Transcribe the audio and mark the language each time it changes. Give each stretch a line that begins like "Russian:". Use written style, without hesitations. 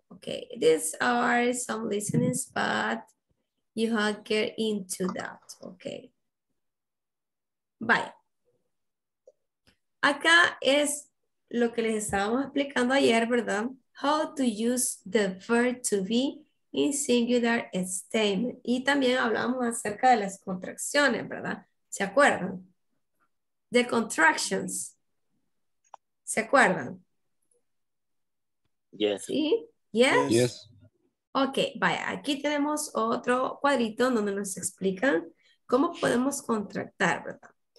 English: Okay, these are some listenings, but you have to get into that. Okay. Bye.
Spanish: Acá es lo que les estábamos explicando ayer, ¿verdad?
English: How to use the verb to be in singular statement.
Spanish: Y también hablamos acerca de las contracciones, ¿verdad? ¿Se acuerdan?
English: The contractions.
Spanish: ¿Se acuerdan?
English: Yes.
Spanish: ¿Sí?
English: Yes. Yes.
Spanish: Ok, vaya. Aquí tenemos otro cuadrito donde nos explican cómo podemos contractar, ¿verdad?